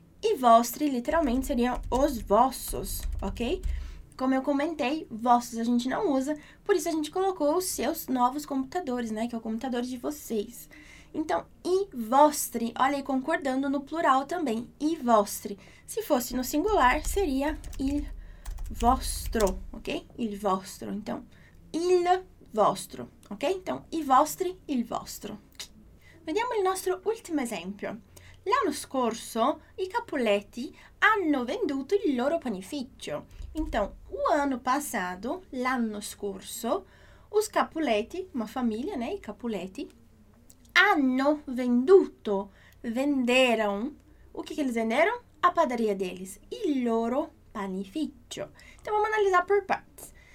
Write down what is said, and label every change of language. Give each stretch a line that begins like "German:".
Italian: I vostri
Portuguese: literalmente seriam os vossos, ok? Como eu comentei, vossos a gente não usa, por isso a gente colocou os seus novos computadores, né? Que é o computador de vocês. Então,
Italian: i vostri,
Portuguese: olha aí, concordando no plural também, i vostri. Se fosse no singular, seria
Italian: il vostro,
Portuguese: ok?
Italian: Il vostro,
Portuguese: então,
Italian: il vostro, ok?
Portuguese: Então,
Italian: i vostri, il vostro. Vediamo il nostro ultimo esempio. L'anno scorso i Capuleti hanno venduto il loro panificio.
Portuguese: Então, o ano passado,
Italian: l'anno scorso,
Portuguese: os Capuleti, uma família, né?
Italian: I Capuleti, hanno venduto,
Portuguese: venderam. O que que eles venderam? A padaria deles,
Italian: il loro panificio.
Portuguese: Então, vamos analisar por partes.